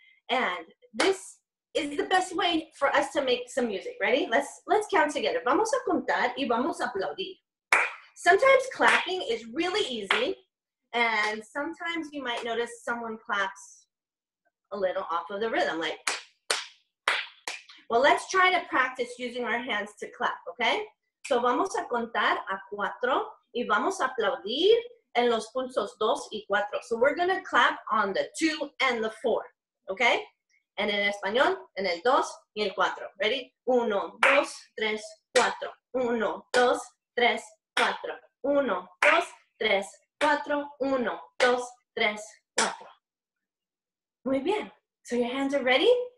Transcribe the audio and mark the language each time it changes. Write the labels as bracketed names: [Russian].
[English] And this is the best way for us to make some music. Ready? Let's count together. [Spanish] Vamos a contar y vamos a aplaudir. [English] Sometimes clapping is really easy. And sometimes you might notice someone claps a little off of the rhythm, like. Well, let's try to practice using our hands to clap, okay? [Spanish] So vamos a contar a cuatro y vamos a aplaudir en los pulsos dos y cuatro. [English] So we're gonna clap on the two and the four, okay? [Spanish] And en español, en el dos y el cuatro. Ready? Uno, dos, tres, cuatro. Uno, dos, tres, cuatro. Uno, dos, tres, cuatro. Uno, dos, tres, cuatro. Muy bien. [English] So your hands are ready?